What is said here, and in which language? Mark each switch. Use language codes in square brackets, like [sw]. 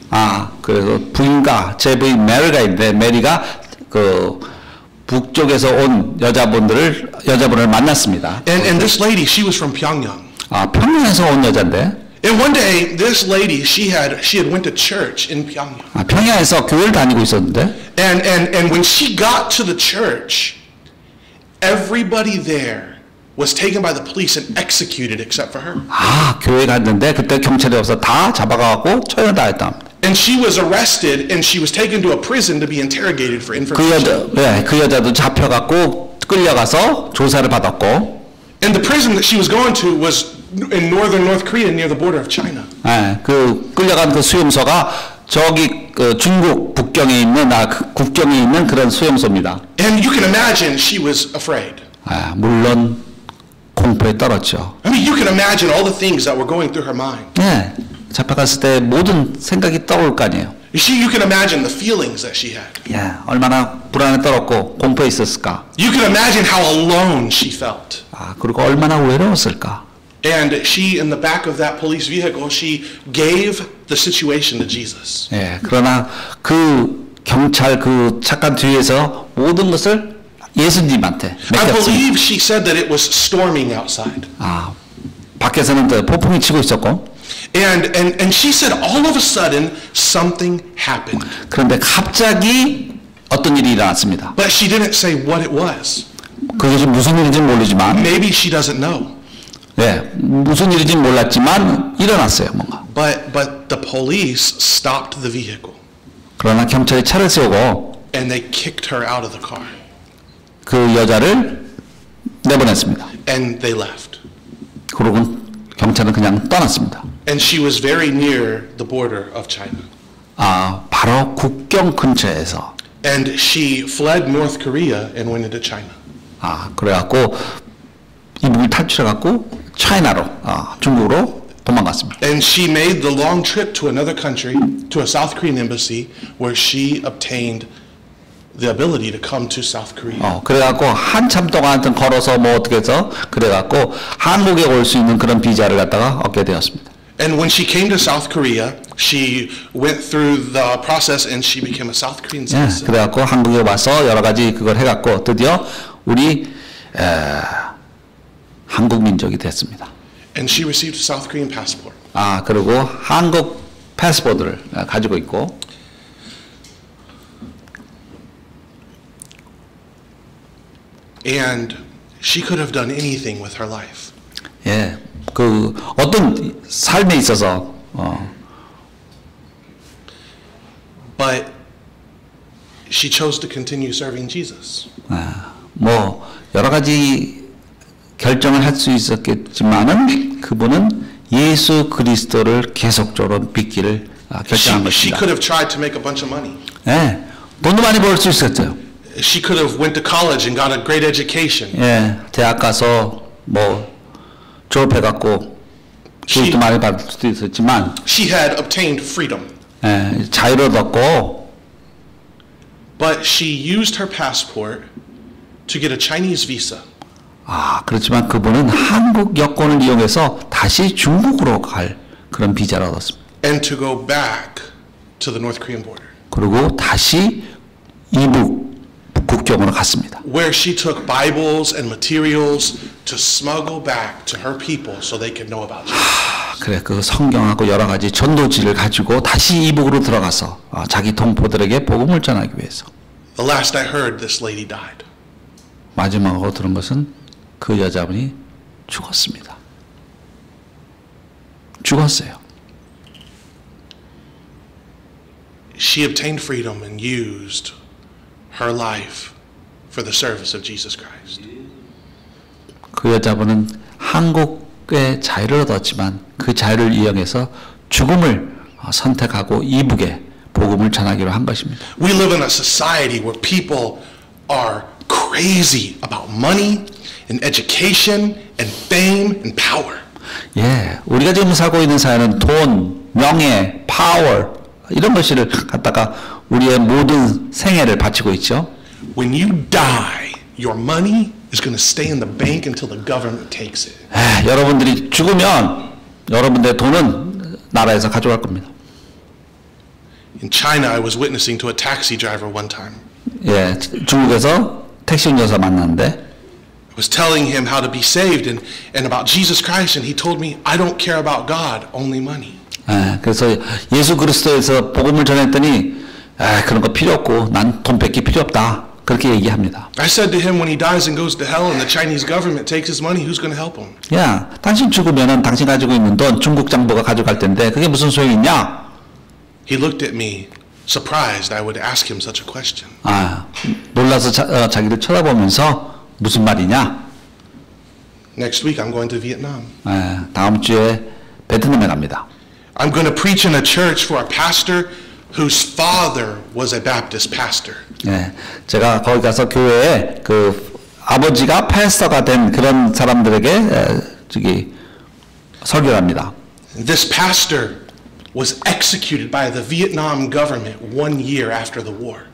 [ko] 아, 그래서 부인과 제 부인 메리가 있는데 메리가 그 북쪽에서 온 여자분들을 여자분을 만났습니다. [en] And this lady, she was from Pyongyang. [ko] 아, 평양에서 온 여잔데. [en] And one day, this lady, she had went to church in Pyongyang. [ko] 아, 평양에서 교회를 다니고 있었는데. [en] And when she got to the church, everybody there was taken by the police and executed except for her. [ko] 아, 교회 갔는데 그때 경찰이 없어 다 잡아가고 처형당했다. [en] And she was arrested and she was taken to a prison to be interrogated for information. [ko] 그 여자도 잡혀갖고 끌려가서 조사를 받았고. [en] And the prison that she was going to was in northern North Korea near the border of China. [ko] 예, 그 끌려간 그 수용소가 저기 그 중국 북경에 있는 나 국경에 있는 그런 수용소입니다. [en] And you can imagine she was afraid. [ko] 아, 물론 공포에 떨었죠. [en] I mean, you can imagine all the things that were going through her mind. [ko] 네, 잡혀갔을 때 모든 생각이 떠올 거 아니에요. [en] You can imagine the feelings that she had. [ko] 예, 얼마나 불안에 떨었고 공포에 있었을까. [en] You can imagine how alone she felt. [ko] 아, 그리고 얼마나 외로웠을까. [en] And she, in the back of that police vehicle, she gave the situation to Jesus. [ko] 예, 그러나 그 경찰 그 차가 뒤에서 모든 것을 예수님한테 맡겼습니다. [en] I believe she said that it was storming outside. [ko] 아, 밖에서는 폭풍이 치고 있었고. [en] And she said all of a sudden something happened. [ko] 그런데 갑자기 어떤 일이 일어났습니다. [en] But she didn't say what it was. [ko] 그것이 무슨 일인지 모르지만. [en] Maybe she doesn't know. [ko] 네, 무슨 일인지 몰랐지만 일어났어요 뭔가. [en] But the police stopped the vehicle. [ko] 그러나 경찰이 차를 세우고. [en] And they kicked her out of the car. [ko] 그 여자를 내보냈습니다. [en] And they left. [ko] 그리고 경찰은 그냥 떠났습니다. [en] And she was very near the border of China. [ko] 아, 바로 국경 근처에서. [en] And she fled North Korea and went into China. [ko] 아, 그래갖고 이북을 탈출해갖고 차이나로, 아, 중국으로 도망갔습니다. [en] And she made the long trip to another country, to a South Korean embassy, where she obtained the ability to come to South Korea. [ko] 어, 그래갖고 한참 동안 걸어서 뭐 어떻게 해서 그래갖고 한국에 올 수 있는 그런 비자를 갖다가 얻게 되었습니다. [en] And when she came to South Korea, she went through the process and she became a South Korean citizen. [ko] 예, 그래갖고 한국에 와서 여러 가지 그걸 해갖고 드디어 우리 한국 민족이 됐습니다. [en] And she received a South Korean passport. [ko] 아, 그리고 한국 패스포드를 가지고 있고. [en] And she could have done anything with her life. [ko] 예, 그 어떤 삶에 있어서. 어. [en] But she chose to continue serving Jesus. [ko] 아, 뭐 여러 가지 결정을 할 수 있었겠지만은 그분은 예수 그리스도를 계속적으로 믿기를 결정한 것입니다. [en] She could have tried to make a bunch of money. [ko] 예, 돈도 많이 벌 수 있었죠. [en] She could have went to college and got a great education. [ko] 예, 대학 가서 뭐 졸업해 갖고 돈도 많이 받을 수도 있었지만. [en] She had obtained freedom. [ko] 예, 자유를 얻었고. [en] But she used her passport to get a Chinese visa. [ko] 아, 그렇지만 그분은 한국 여권을 이용해서 다시 중국으로 갈 그런 비자를 얻었습니다. [en] And to go back to the North Korean border. [ko] 그리고 다시 이북 국경으로 갔습니다. [en] Where she took Bibles and materials to smuggle back to her people so they could know about Jesus. 하, [ko] 그래 그 성경하고 여러 가지 전도지를 가지고 다시 이북으로 들어가서 자기 동포들에게 복음을 전하기 위해서. [en] The last I heard, this lady died. [ko] 마지막으로 들은 것은 그 여자분이 죽었습니다. 죽었어요. [en] She obtained freedom and used her life for the service of Jesus Christ. [ko] 그 여자분은 한국의 자유를 얻었지만 그 자유를 이용해서 죽음을 선택하고 이북에 복음을 전하기로 한 것입니다. [en] We live in a society where people are crazy about money and education and fame and power. [ko] 예, 우리가 지금 살고 있는 사회는 돈, 명예, 파워 이런 것들을 갖다가 우리의 모든 생애를 바치고 있죠. [en] When you die, your money is going to stay in the bank until the government takes it. [ko] 에, 여러분들이 죽으면 여러분들의 돈은 나라에서 가져갈 겁니다. [en] In China, I was witnessing to a taxi driver one time. [ko] 예, 중국에서 택시 운전사 만났는데. [en] I was telling him how to be saved and about Jesus Christ, and he told me, "I don't care about God, only money." [ko] 예, 그래서 예수 그리스도에서 복음을 전했더니, 아 그런 거 필요 없고 난 돈 뺏기 필요 없다 그렇게 얘기합니다. [en] I said to him, "When he dies and goes to hell, and the Chinese government takes his money, who's going to help him?" [ko] 야, 당신 죽으면은 당신 가지고 있는 돈 중국 정부가 가져갈 텐데 그게 무슨 소용이냐? [en] He looked at me, surprised I would ask him such a question. [ko] 아, 놀라서 자기를 쳐다보면서 무슨 말이냐? [en] Next week I'm going to Vietnam. [ko] 아, 다음 주에 베트남에 갑니다. [en] I'm going to preach in a church for a pastor whose father was a Baptist pastor. [ko] 예, 제가 거기 가서 교회에 그 아버지가 패스터가 된 그런 사람들에게 저기 설교를 합니다. [en] This pastor was executed by the Vietnam government 1 year after the war.